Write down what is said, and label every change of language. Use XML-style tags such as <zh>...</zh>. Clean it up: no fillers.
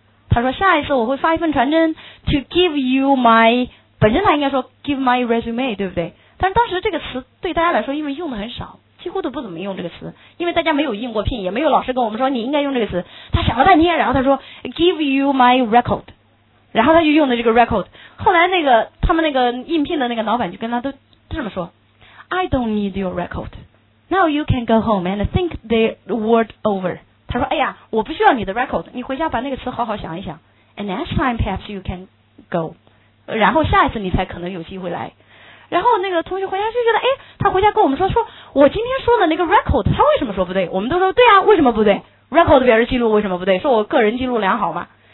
<zh>他说下一次我会发一份传真</zh> <en>To give you my，</en> <zh>本身他应该说</zh> <en>give my resume，</en> <zh>对不对？但是当时这个词对大家来说，因为用的很少，几乎都不怎么用这个词，因为大家没有应过聘，也没有老师跟我们说你应该用这个词。他想了半天，然后他说</zh> <en>give you my record，</en> <zh>然后他就用的这个 record。后来那个他们那个应聘的那个老板就跟他都这么说，</zh> <en>I don't need your record， Now you can go home and think the word over。</en> <zh>他说哎呀，我不需要你的 record， 你回家把那个词好好想一想，</zh> <en>And next time perhaps you can go，</en> <zh>然后下一次你才可能有机会来。然后那个同学回家就觉得，哎，他回家跟我们说我今天说的那个 record 他为什么说不对，我们都说对啊，为什么不对， record 表示记录，为什么不对，说我个人记录良好嘛。</zh>